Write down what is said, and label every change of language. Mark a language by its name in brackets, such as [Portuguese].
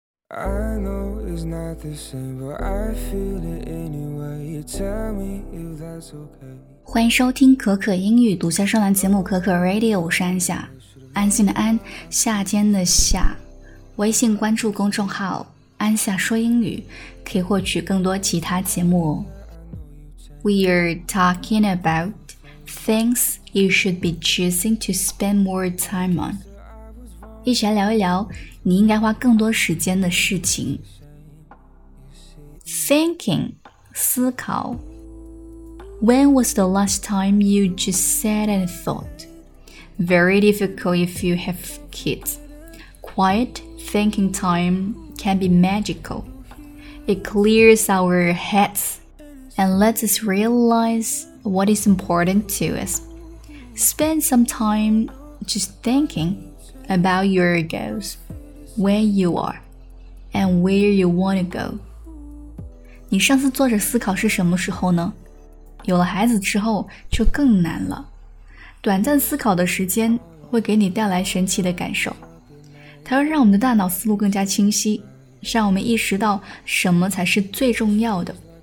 [English] I know it's not the same, but I feel it anyway. You tell me if that's okay. [Chinese] 欢迎收听可可英语独家专栏节目可可 Radio， 我是安夏，安心的安，夏天的夏。微信关注公众号安夏说英语，可以获取更多其他节目哦。 [English] We're talking about things you should be choosing to spend more time on. [Chinese] 一起来聊一聊你应该花更多时间的事情。 [English] Thinking, 思考。 When was the last time you just sat and thought? Very difficult if you have kids. Quiet thinking time can be magical. It clears our heads. And lets us realize what is important to us. Spend some time just thinking about your goals, where you are, and where you want to go. [Chinese] 你上次坐着思考是什么时候呢？有了孩子之后就更难了。短暂思考的时间会给你带来神奇的感受。它会让我们的大脑思路更加清晰，让我们意识到什么才是最重要的。